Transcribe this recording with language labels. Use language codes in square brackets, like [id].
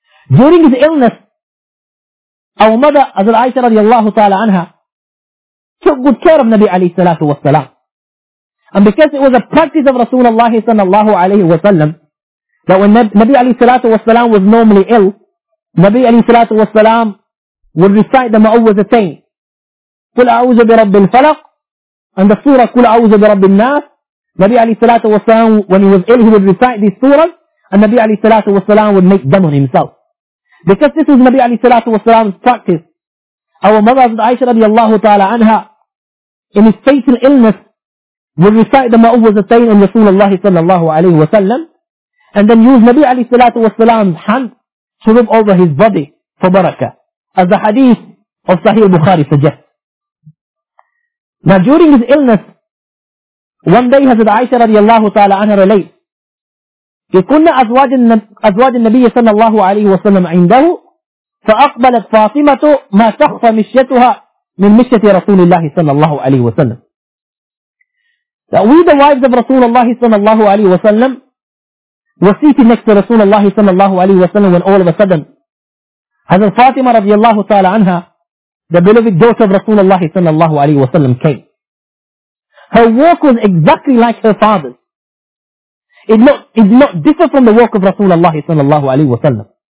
[en] During his illness, our mother, Hazrat Aisha radiallahu ta'ala anha, took good care of Nabi alayhi salatu wasalam. And because it was a practice of Rasulullah sallallahu alayhi wasallam, that when Nabi alayhi salatu wasalam was normally ill, Nabi alayhi salatu wasalam would recite the Mu'awwidhatayn. [ar] قُلْ أَعُوذُ بِرَبِّ الْفَلَقِ [en] and the surah [ar] قُلْ أَعُوذُ بِرَبِّ النَّاسِ. [en] Nabi alayhi salatu wasalam, when he was ill, he would recite these surahs, and Nabi alayhi salatu wasalam would make dhamm on himself. Because this was Nabi alayhi salatu wasalam's practice, our mother Hazrat Aisha radiallahu ta'ala anha, in his fatal illness, would recite the Mu'awwidhatayn on Rasulullah sallallahu alayhi wasallam, and then use Nabi alayhi salatu wasalam's hand to rub over his body for barakah, as the hadith of Sahih Bukhari suggests. Now during his illness, one day Hazrat Aisha radiallahu ta'ala anha relates, [ar] يَكُنَّ أَزْوَاجِ النَّبِيِّ صَلَّى اللَّهُ عَلَيْهِ وَسَلَّمْ عِنْدَهُ فَأَقْبَلَتْ فَاطِمَةُ مَا تَخْفَ مِشْيَتُهَا مِنْ مِشْيَةِ رَسُولِ اللَّهِ صَلَّى اللَّهُ عَلَيْهِ وَسَلَّمْ. [en] That we the wives of Rasulullah sallallahu alayhi wa sallam were seated next to Rasulullah sallallahu alayhi wa sallam, when all of a sudden Hazrat Fatima radiallahu ta'ala anha, the beloved daughter of Rasulullah sallallahu alayhi wa sallam, came. Her walk was exactly like her father's. It did not differ from the walk of Rasulullah sallallahu alayhi wa sallam.